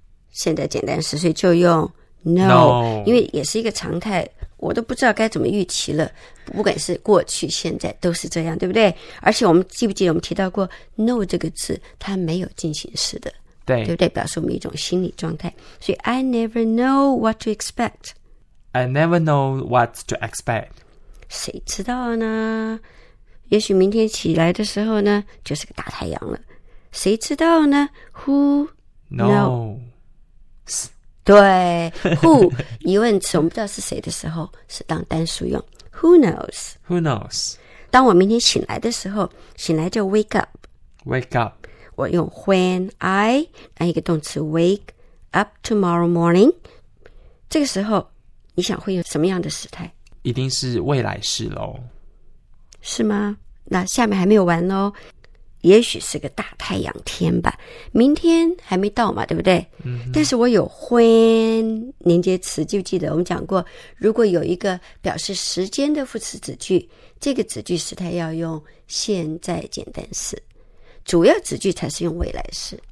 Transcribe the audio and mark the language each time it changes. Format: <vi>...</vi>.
<zh>现在简单式，所以就用 know, 因为也是一个常态。我都不知道该怎么预期了，不管是过去现在都是这样，对不对？而且我们记不记得我们提到过 know 这个字它没有进行式的，对，对不对？表示我们一种心理状态。所以</zh> <en>I never know what to expect. I never know what to expect.</en> <zh>谁知道呢？也许明天起来的时候呢就是个大太阳了，谁知道呢？</zh> <en>Who knows? No.</en> <zh>对 ,who, 疑问词我们不知道是谁的时候是当单数用。</zh> <en>Who knows? Who knows?</en> <zh>当我明天醒来的时候，醒来就</zh> <en>wake up。 wake up。</en> <zh>我用</zh> <en>when I,</en> <zh>当一个动词</zh> <en>wake up tomorrow morning。</en> <zh>这个时候你想会有什么样的时态？一定是未来式咯。是吗？那下面还没有完咯。也许是个大太阳天吧，明天还没到嘛，对不对、嗯、但是我有 when 连接词，就记得我们讲过，如果有一个表示时间的副词子句，这个子句时态要用现在简单式，主要子句才是用未来式、</zh>